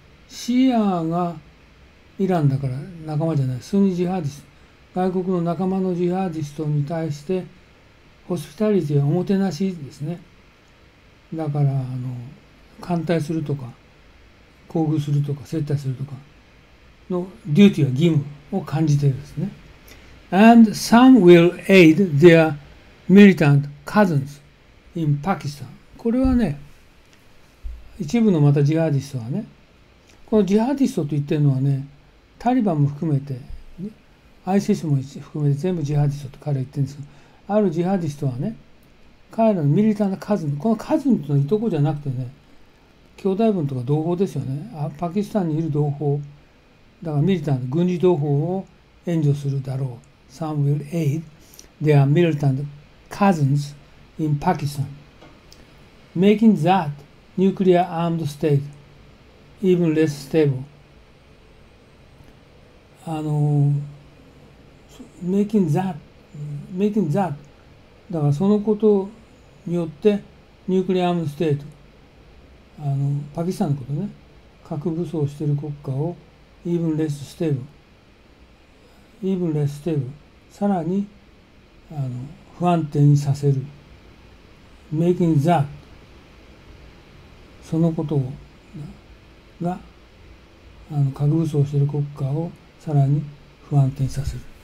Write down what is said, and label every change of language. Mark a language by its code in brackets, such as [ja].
[ja] シーアがイランだから仲間じゃない、スニジハーディスト。外国の仲間のジハーディストに対して、ホスピタリティはおもてなしですね。だから、歓待するとか、厚遇するとか、接待するとか、のデューティーは義務を感じてるんですね。 [en] And some will aid their militant cousins in Pakistan。 [ja] これはね、一部のまたジハーディストはね、このジハーディストと言ってるのはね、タリバンも含めて、ISIS も含めて全部ジハーディストと彼は言ってるんですが、あるジハーディストはね、彼らのミリタントカズン、このカズンというのはいとこじゃなくてね、兄弟分とか同胞ですよね。パキスタンにいる同胞、だからミリタント、軍事同胞を援助するだろう。 [en] Some will aid their militant cousins in Pakistan, making that nuclear armed state even less stable。 making that [ja] だから、そのことによってニュークリアアームステート、パキスタンのことね、核武装している国家をイーブンレスステーブル、イーブンレスステーブル、さらに不安定にさせる、メイキングザ、そのことをが核武装している国家をさらに不安定にさせる。